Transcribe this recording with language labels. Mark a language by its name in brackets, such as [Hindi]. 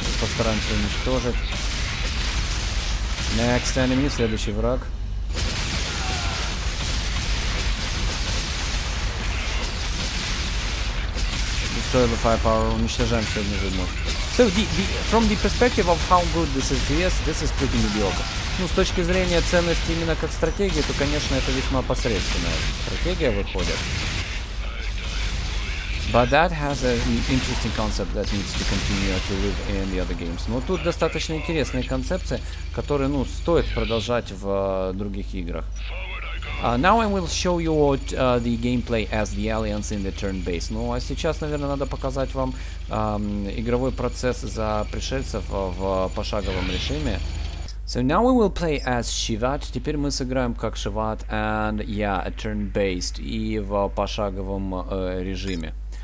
[Russian] Постараемся уничтожить. [English] Next enemy, [Russian] следующий враг. [English] Destroy the firepower. [Russian] Уничтожаем все не можем. [English] So the from the perspective of how good this is, yes, this is pretty mediocre. [Russian] Ну, с точки зрения ценности именно как стратегии, то, конечно, это весьма посредственная стратегия выходит. [English] But that has an interesting concept that needs to continue to live in the other games. [Russian] Но тут достаточно интересные концепции, которые, ну, стоит продолжать в других играх. [English] Now I will show you what the gameplay as the Alliance in the turn-based. [Russian] Ну, а сейчас, наверное, надо показать вам игровой процесс за пришельцев в пошаговом режиме. [English] So now we will play as Shivat. [Russian] Теперь мы сыграем как Shivat [English] and yeah, turn-based [Russian] и в пошаговом режиме.